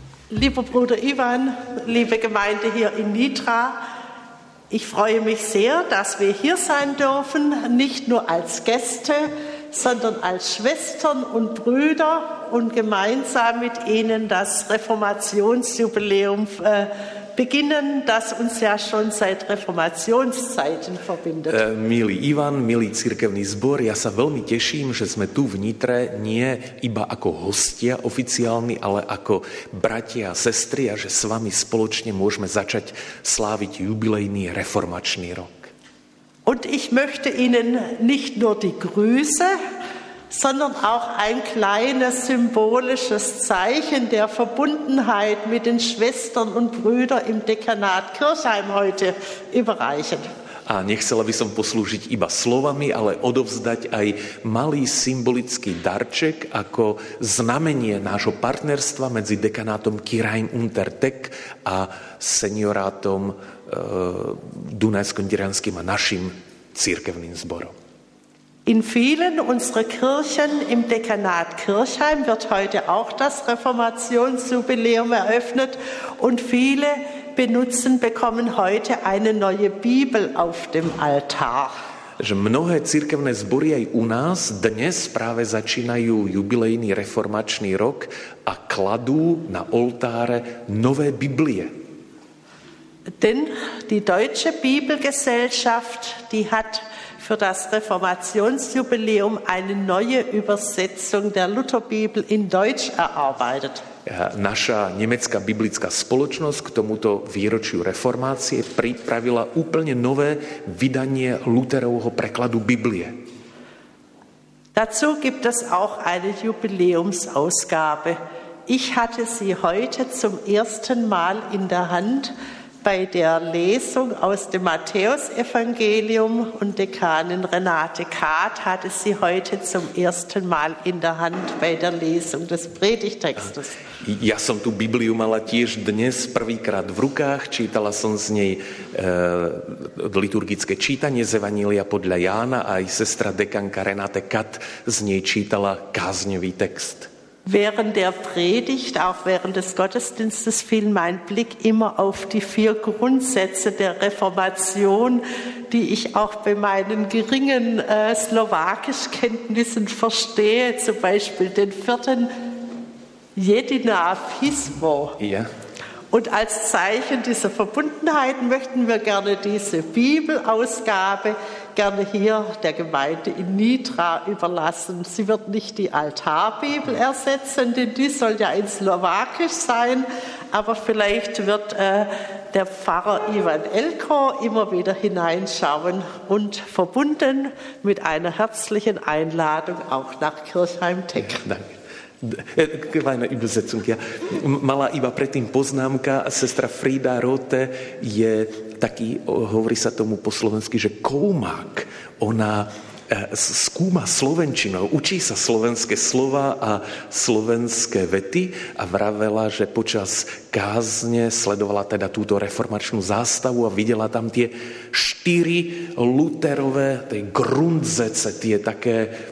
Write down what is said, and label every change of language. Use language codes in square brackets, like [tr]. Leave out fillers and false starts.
[de] Lieber Bruder Ivan, liebe Gemeinde hier in Nitra, ich freue mich sehr, dass wir hier sein dürfen, nicht nur als Gäste, sondern als Schwestern und Brüder und gemeinsam mit Ihnen das Reformationsjubiläum beginnen, das uns ja schon seit Reformationszeiten verbindet. [sk] Milý Ivan, milý cirkevný zbor, ja sa veľmi teším, že sme tu v Nitre, nie iba ako hostia oficiálni, ale ako bratia a sestry, a že s vami spoločne môžeme začať sláviť jubilejný reformačný rok. [de] Und ich möchte Ihnen nicht nur die Grüße, sondern auch ein kleines symbolisches Zeichen der Verbundenheit mit den Schwestern und Brüdern im Dekanat Kirchheim heute überreichen. [sk] A nechcela by som poslúžiť iba slovami, ale odovzdať aj malý symbolický darček ako znamenie nášho partnerstva medzi dekanátom Kirchheim unter Teck a seniorátom Dunajsko-Nitrianskym a našim cirkevným zborom. [de] In vielen unserer Kirchen im Dekanat Kirchheim wird heute auch das Reformationsjubiläum eröffnet und viele benutzen bekommen heute eine neue Bibel auf dem Altar. [sk] Že mnohé cirkevné zbory aj u nás dnes práve začínajú jubilejný reformačný rok a kladú na oltáre nové Biblie. [de] Denn die Deutsche Bibelgesellschaft, die hat für das Reformationsjubiläum eine neue Übersetzung der Lutherbibel in Deutsch erarbeitet. [sk] Naša nemecká biblická spoločnosť k tomuto výročiu reformácie pripravila úplne nové vydanie Lutherovho prekladu Biblie. [de] Dazu gibt es auch eine Jubiläumsausgabe. Ich hatte sie heute zum ersten Mal in der Hand bei der Lesung aus dem Matthäusevangelium und Dekanin Renate Kahrt hatte sie heute zum ersten Mal in der Hand bei der Lesung des Predigtextes. [sk] Ja som tu Bibliu mala tiež dnes prvýkrát v rukách, čítala som z nej liturgické čítanie z Evanília podľa Jána a aj sestra dekanka Renate Kahrt z nej čítala kázňový text. [de] Während der Predigt, auch während des Gottesdienstes, fiel mein Blick immer auf die vier Grundsätze der Reformation, die ich auch bei meinen geringen slowakischen Kenntnissen verstehe, zum Beispiel den vierten [sk] jediná písmo. [de] Ja. Und als Zeichen dieser Verbundenheit möchten wir gerne diese Bibelausgabe gerne hier der Gemeinde in Nitra überlassen. Sie wird nicht die Altarbibel ersetzen, denn die soll ja in Slowakisch sein. Aber vielleicht wird der Pfarrer Ivan Elko immer wieder hineinschauen und verbunden mit einer herzlichen Einladung auch nach Kirchheim-Teck. Ja, danke. Kleine Übersetzung, ja. [sk] Malá iba predtým poznámka, sestra Frida Rote je taký, hovorí sa tomu po slovensky, že koumák, ona skúma slovenčinu, učí sa slovenské slova a slovenské vety a vravela, že počas kázne sledovala teda túto reformačnú zástavu a videla tam tie štyri luterové, tie grundzece, tie také,